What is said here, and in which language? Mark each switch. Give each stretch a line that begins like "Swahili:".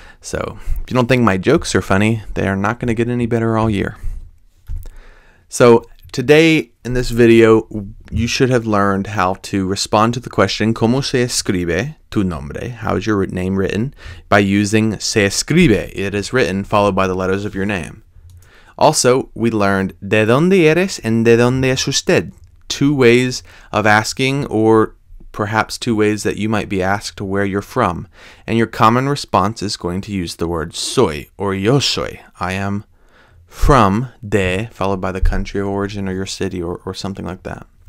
English: So if you don't think my jokes are funny, they are not going to get any better all year. So today in this video, you should have learned how to respond to the question, ¿Cómo se escribe tu nombre? How is your name written? By using se escribe, it is written, followed by the letters of your name. Also, we learned ¿De dónde eres?
Spanish: And ¿De dónde es usted?
English: Two ways of asking, or perhaps two ways that you might be asked where you're from. And your common response is going to use the word soy, or yo soy. I am from, de, followed by the country of origin or your city or something like that.